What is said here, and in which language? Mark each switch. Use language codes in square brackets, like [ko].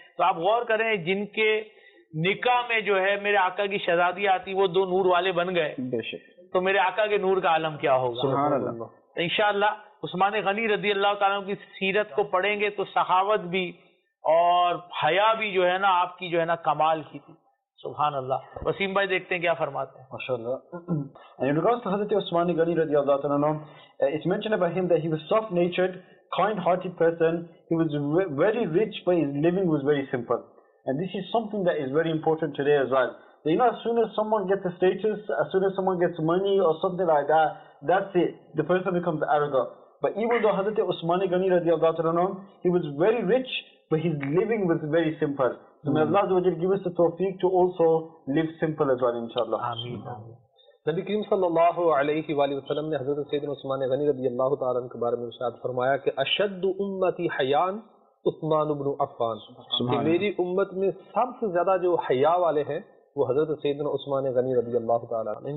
[ur] تو آپ غور کریں جن کے نکاح میں جو ہے میرے آقا کی شہزادی آتی وہ دو نور والے بن گئے, تو میرے آقا کے نور کا عالم کیا ہوگا. سبحان اللہ. انشاءاللہ عثمان غنی رضی اللہ تعالیٰ کی سیرت کو پڑھیں گے تو سخاوت بھی اور حیا بھی جو ہے نا آپ کی جو ہے نا کمال کی تھی. سبحان اللہ. وسیم بھائی دیکھتے ہیں کیا فرماتے ہیں. ماشاءاللہ. [en] In regards to حضرت Usman Ghani رضی اللہ تعالیٰ عنہ, it's mentioned about him that he was soft natured, kind hearted person, he was very rich but his living was very simple, and this is something that is very important today as well. That, you know, as soon as someone gets a status, as soon as someone gets money or something like that, that's it, the person becomes arrogant. But even though Hazrat Usman Ghani radiallahu ta'ala anhu, he was very rich, but his living was very simple. So may Allah azza wa jalla give us the tawfiq to also live simple as well, inshallah. Ameen. [ur] نبی کریم صلی اللہ علیہ وآلہ وسلم نے حضرت سیدنا عثمان غنی رضی اللہ تعالیٰ عنہ کے بارے میں ارشاد فرمایا کہ [ar] اشد امتی حیان عثمان بن عفان, [ur] کہ میری امت میں سب سے زیادہ جو حیا والے ہیں وہ حضرت سیدنا عثمان غنی رضی اللہ تعالیٰ عنہ.